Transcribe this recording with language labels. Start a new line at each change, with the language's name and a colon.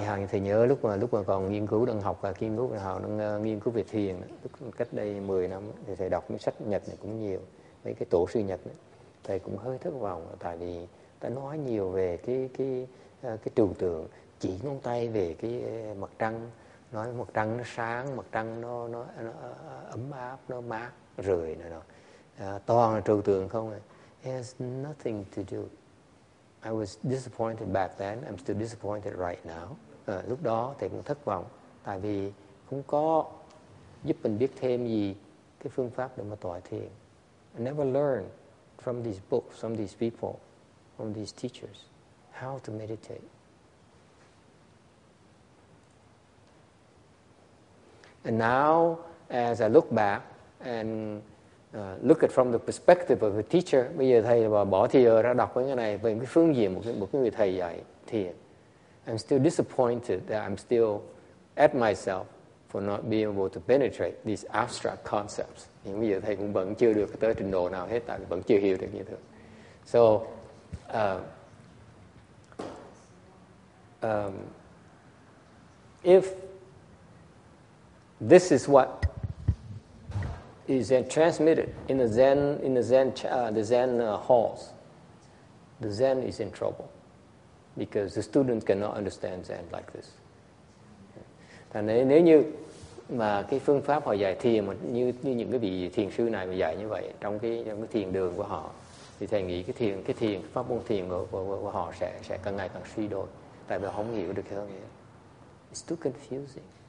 Vietnamese: Thầy nhớ lúc mà còn nghiên cứu đang học và kiến thức nào đang nghiên cứu về thiền, lúc cách đây 10 năm thì thầy đọc mấy sách Nhật này cũng nhiều, mấy cái tổ sư Nhật này, thầy cũng hơi thất vọng tại vì ta nói nhiều về cái trừu tượng, chỉ ngón tay về cái mặt trăng, nói mặt trăng nó sáng, mặt trăng nó ấm áp, nó mát rời này nọ, toàn là trừu tượng không à.
English: It has nothing to do. I was disappointed back then. I'm still disappointed right now.
Vietnamese: Lúc đó thầy cũng thất vọng, tại vì không có giúp mình biết thêm gì cái phương pháp để mà tọa thiền.
English: I never learned from these books, from these people, from these teachers, how to meditate. And now, as I look back and look at from the perspective of a teacher.
Vietnamese: Bây giờ thầy bỏ thiền ra đọc cái này về cái phương diện một cái người thầy dạy thiền.
English: I'm still disappointed that I'm still at myself for not being able to penetrate these abstract concepts.
Vietnamese: Nhưng bây giờ thầy cũng vẫn chưa được tới trình độ nào hết, tại vẫn chưa hiểu được như thế.
English: So, um, if this is what is transmitted in the Zen, halls, the Zen is in trouble because the students cannot understand Zen like this.
Vietnamese: Thành nên nếu như mà cái phương pháp họ dạy thiền mà như như những cái vị thiền sư này mà dạy như vậy trong cái thiền đường của họ thì thầy nghĩ cái thiền pháp môn thiền của họ sẽ càng ngày càng suy đồi, tại vì họ không hiểu được cái hơn.
English: It's too confusing.